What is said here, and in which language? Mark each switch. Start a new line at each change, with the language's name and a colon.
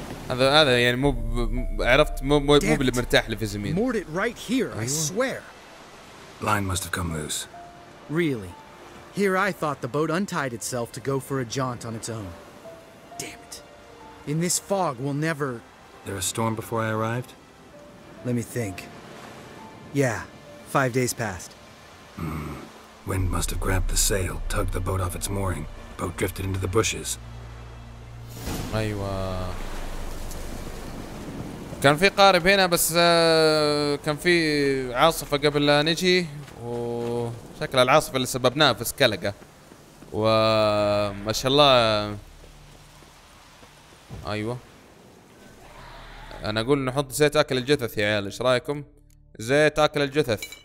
Arabic: هذا هذا يعني مو عرفت مو اللي مرتاح لفيزمير.
English: Moored it right here, I swear. Line must have come loose. Really? Here I thought the boat untied itself to go for a jaunt on its own. Damn it. In this fog, we'll never... There a storm before I arrived? Let me think. Yeah, 5 days passed. Wind must have grabbed the sail, tugged the boat off its mooring. Boat drifted into the bushes.
Arabic: أيوة. كان في قارب هنا بس كان في عاصفة قبل لا نجي. شكل العاصفة اللي سببناها في سكالقة. وما شاء الله. أيوة. أنا أقول نحط زيت أكل الجثث يا عيال، إيش رأيكم؟ زيت أكل الجثث.